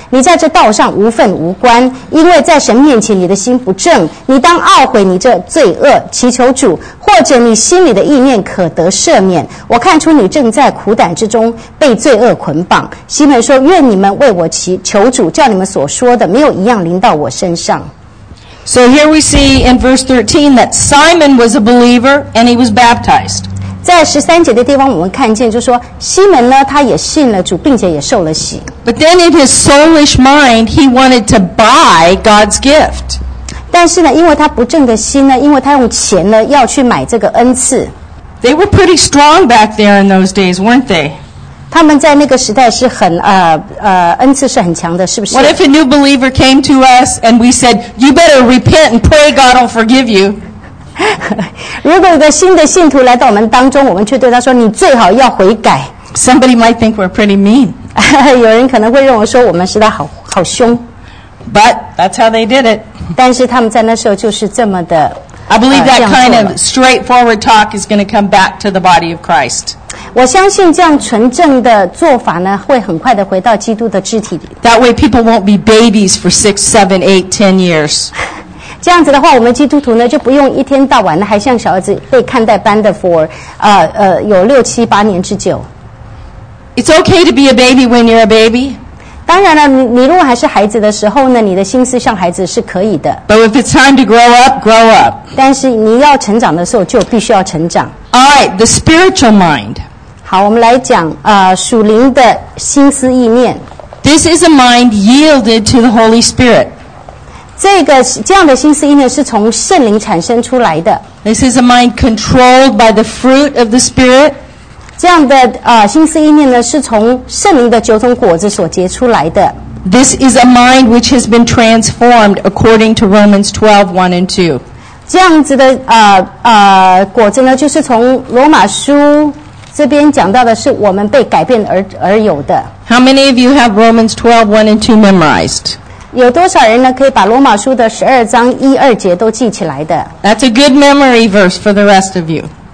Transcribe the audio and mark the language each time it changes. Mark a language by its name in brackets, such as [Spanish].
[Chinese] 你在这道上无份无关，因为在神面前你的心不正。你当懊悔你这罪恶，祈求主，或者你心里的意念可得赦免。我看出你正在苦胆之中被罪恶捆绑。” 西门说：“愿你们为我祈求主，叫你们所说的没有一样临到我身上。” [English] So here we see in verse 13 that Simon was a believer and he was baptized. [Chinese] 在十三节的地方，我们看见就说西门呢，他也信了主，并且也受了洗。 [English] But then in his soulish mind, he wanted to buy God's gift. [Chinese] 但是呢，因为他不正的心呢，因为他用钱呢要去买这个恩赐。 [English] They were pretty strong back there in those days, weren't they? [Chinese] 他们在那个时代是很恩赐是很强的，是不是 [English] ？What if a new believer came to us and we said, "You better repent and pray God will forgive you"? [Chinese] 如果一个新的信徒来到我们当中，我们却对他说，你最好要悔改。 [English] Somebody might think we're pretty mean. [Chinese] 有人可能会认为说我们实在好好凶。 [English] But that's how they did it. [Chinese] 但是他们在那时候就是这么的。 [English] I believe that kind of straightforward talk is going to come back to the body of Christ. [Chinese] 我相信这样纯正的做法呢，会很快的回到基督的肢体里。 [English] That way, people won't be babies for 6, 7, 8, 10 years. [Chinese] 这样子的话，我们基督徒呢，就不用一天到晚的还像小孩子被看待般的 for 有六七八年之久。 [English] It's okay to be a baby when you're a baby. [Chinese] 当然了，你如果还是孩子的时候呢，你的心思像孩子是可以的。 [English] But if it's time to grow up, grow up. [Chinese] 但是你要成长的时候，就必须要成长。 [English] All right, the spiritual mind. [Chinese] 好，我们来讲属灵的心思意念。 [English] This is a mind yielded to the Holy Spirit. [Chinese] 这样的心思意念是从圣灵产生出来的。 [English] This is a mind controlled by the fruit of the Spirit. [Chinese] 这样的心思意念呢，是从圣灵的九种果子所结出来的。 [English] This is a mind which has been transformed according to Romans 12:1-2. [Chinese] 这样子的果子呢，就是从罗马书这边讲到的，是我们被改变而有的。 [English] How many of you have Romans 12:1-2 memorized? [Chinese] 有多少人呢，可以把罗马书的十二章一二节都记起来的 [English] ？That's a good memory verse for the rest of you.